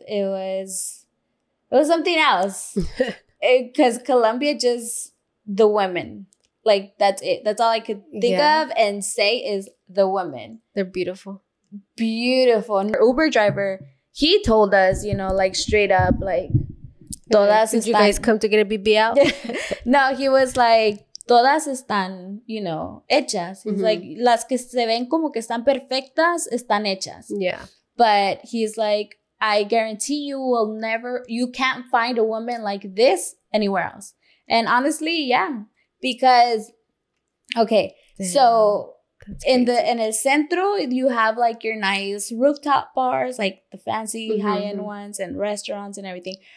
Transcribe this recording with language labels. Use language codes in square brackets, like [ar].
[en] It was something else. Because Colombia, just the women. Like, that's it. That's all I could think of and say is the women. They're beautiful. Beautiful. And our Uber driver, he told us, you know, like, straight up, like, todas. Did you guys come to get a BBL? No, he was like, [es] todas están, [en] you know, [es] hechas. [en] He's like, [es] las que se ven como que están perfectas están hechas. [en] Yeah. But he's like, I guarantee you will never, you can't find a woman like this anywhere else. And honestly, yeah, because, okay, damn, so in the, in el centro, you have like your nice rooftop bars, like the fancy high-end ones and restaurants and everything.